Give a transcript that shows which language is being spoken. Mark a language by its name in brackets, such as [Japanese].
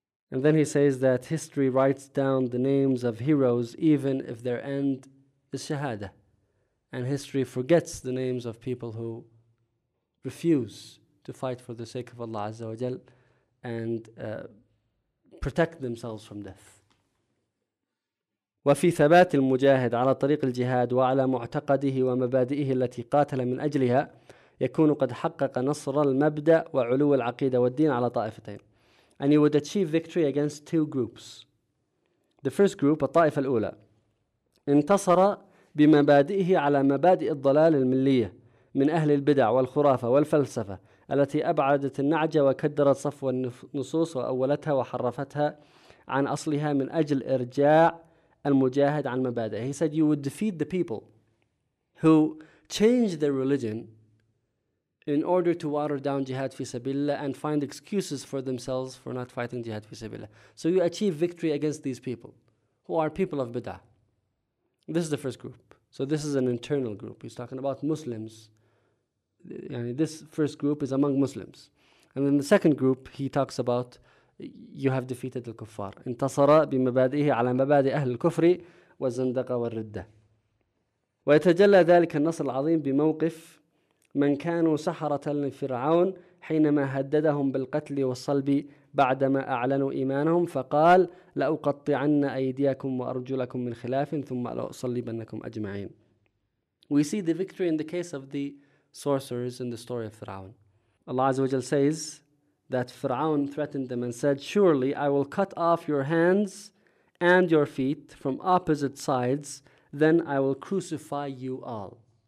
[English] And then he says that history writes down the names of heroes even if their end is shahada. And history forgets the names of people who refuse to fight for the sake of Allah Azza wa Jal and protect themselves from death. [Arabic] وفي ثبات المجاهد على طريق الجهاد وعلى معتقده ومبادئه التي قاتل من أجلها يكون قد حقق نصر المبدأ وعلو العقيدة والدين على طائفتين. [English] And he would achieve victory against two groups. The first group, [Arabic] الطائفة الأولى, انتصر بمبادئه على مبادئ الضلال الملية من أهل البدع والخرافة والفلسفة التي أبعدت النعجة وكدرت صفو النصوص وأولتها وحرفتها عن أصلها من أجل إرجاع المجاهد عن مبادئه. [English] He said, you would defeat the people who changed their religion in order to water down jihad fi sabilillah and find excuses for themselves for not fighting jihad fi sabilillah. So you achieve victory against these people who are people of bid'ah. This is the first group. So this is an internal group. He's talking about Muslims. This first group is among Muslims. And then the second group, he talks about, you have defeated al-kuffar. [Arabic] انتصر بمبادئه على مبادئ أهل الكفر والزندقة والردة. ويتجلى ذلك النصر العظيم بموقف من كانوا سحرة لفرعون حينما هددهم بالقتل والصلب بعدما أعلنوا إيمانهم فقال لأقطعن أيديكم وأرجلكم من خلاف ثم لأصلبنكم أجمعين. [English] We see the victory in the case of the sorcerers in the story of Fir'aun. Allah Azza wa Jal says that Fir'aun threatened them and said, surely I will cut off your hands and your feet from opposite sides, then I will crucify you all.